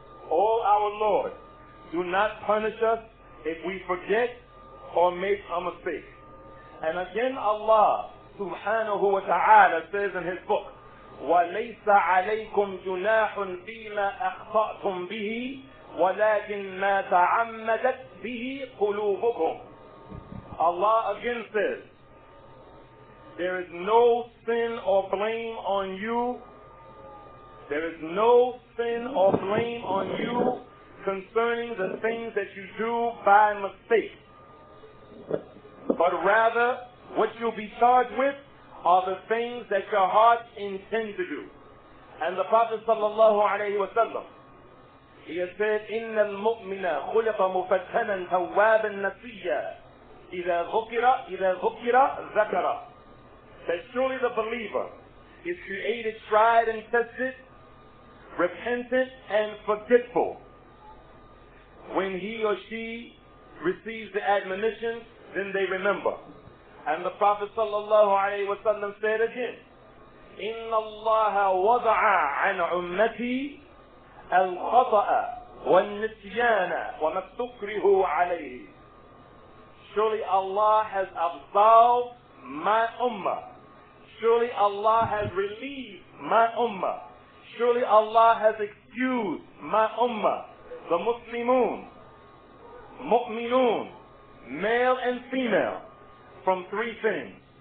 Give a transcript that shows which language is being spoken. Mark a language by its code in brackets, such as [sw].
[en] O our Lord, do not punish us if we forget or make a mistake. And again Allah subhanahu wa ta'ala says in his book, [ar] وَلَيْسَ عَلَيْكُمْ جُنَاحٌ فِيمَا أَخْطَأْتُمْ بِهِ وَلَكِنْ مَا تَعَمَّدَتْ بِهِ قُلُوبُكُمْ. [en] Allah again says, there is no sin or blame on you. There is no sin or blame on you concerning the things that you do by mistake. But rather, what you'll be charged with are the things that your heart intends to do. And the Prophet sallallahu alayhi wa sallam, he has said, [ar] إِنَّ الْمُؤْمِنَ خُلِقَ مُفَتَّنًا تَوَّابًا نَسِيًّا إِذَا ذُكِرَ ذَكَرَ. [en] That surely the believer is created tried and tested, repentant and forgetful. When he or she receives the admonition, then they remember. And the Prophet sallallahu alayhi wa sallam said again, [ar] إِنَّ اللَّهَ وَضَعَ عَنْ عُمَّتِي الْخَطَأَ وَالنِّسْيَانَ وَمَا تُكْرِهُ عَلَيْهِ. [en] Surely Allah has absolved my ummah. Surely Allah has relieved my ummah. Surely Allah has excused my ummah. The Muslimun, mu'minun, male and female, from three things.